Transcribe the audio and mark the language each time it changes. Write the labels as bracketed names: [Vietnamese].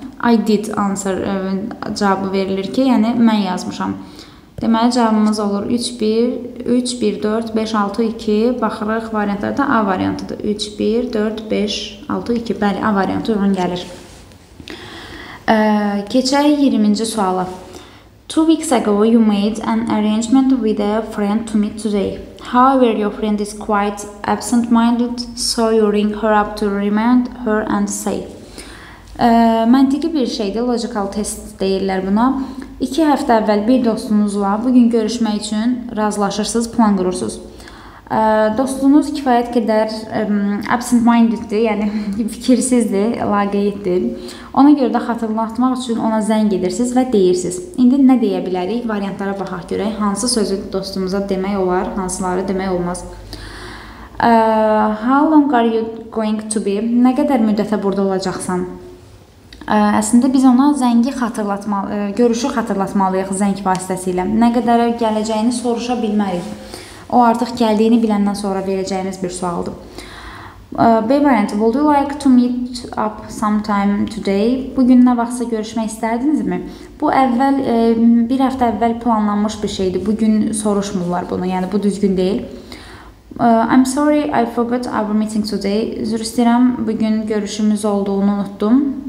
[English] I did answer [Azerbaijani] cavabı verilir ki, yəni mən yazmışam. Deməli cavabımız olur 3-1, 3-1, 4, 5, 6, 2. Baxırıq variantlar da A variantıdır. 3-1, 4, 5, 6, 2. Bəli, A variantı uyğun gəlir. Keçək 20-ci suala. [English] 2 weeks ago you made an arrangement with a friend to meet today. However, your friend is quite absent-minded, so you ring her up to remind her and say. [Azerbaijani] Məntiqi bir şeydir, [English] logical test [Azerbaijani] deyirlər buna. 2 həftə əvvəl bir dostunuzla bugün görüşmək üçün razılaşırsınız, plan qurursunuz. Dostunuz kifayət qədər absent-mindeddir, yəni fikirsizdir, laqeyddir. Ona görə də xatırlatmaq üçün ona zəng edirsiniz və deyirsiniz. İndi nə deyə bilərik? Variantlara baxaq görək. Hansı sözü dostumuza demək olar, hansıları demək olmaz. [English] How long are you going to be? [Azerbaijani] Nə qədər müddətə burada olacaqsan? Əslində biz ona zəngi görüşü xatırlatmalıyıq zəng vasitəsilə. Nə qədər gələcəyini soruşa bilmərik. O artıq gəldiyini biləndən sonra verəcəyiniz bir sualdır. [English] B variant, would you like to meet up sometime today? [Azerbaijani] Bugün nə vaxtsa görüşmək istərdinizmi? Bu əvvəl, bir həftə əvvəl planlanmış bir şeydir. Bugün soruşmurlar bunu, yəni bu düzgün deyil. [English] I'm sorry, I forgot our meeting today. [Azerbaijani] Üzr istəyirəm, bugün görüşümüz olduğunu unutdum.